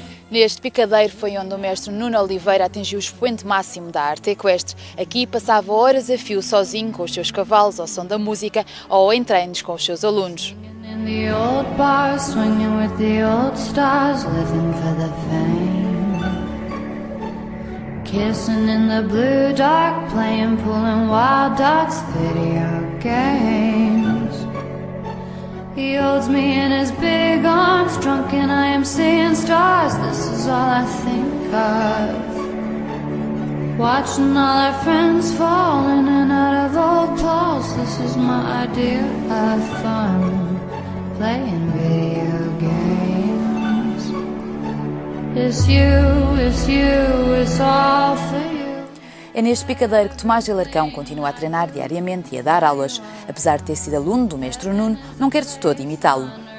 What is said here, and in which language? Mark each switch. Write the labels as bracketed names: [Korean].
[Portuguese] Neste picadeiro foi onde o mestre Nuno Oliveira atingiu o expoente máximo da arte equestre. Aqui passava horas a fio sozinho com os seus cavalos, ao som da música, ou em treinos com os seus alunos. [English] In the old bar, swinging with the old stars, living for the fame. Kissing in the blue dark, playing pool and wild dots, video games. He holds me in his big arms, drunk and I am seeing stars, this is all I think of. Watching all our friends fall in and out of old clothes, this is my idea of fun. Playing video games. It's you, it's you, it's all for you. [Portuguese] É neste picadeiro que Tomaz Alarcão continua a treinar diariamente e a dar aulas. Apesar de ter sido aluno do mestre Nuno, não quer de todo imitá-lo.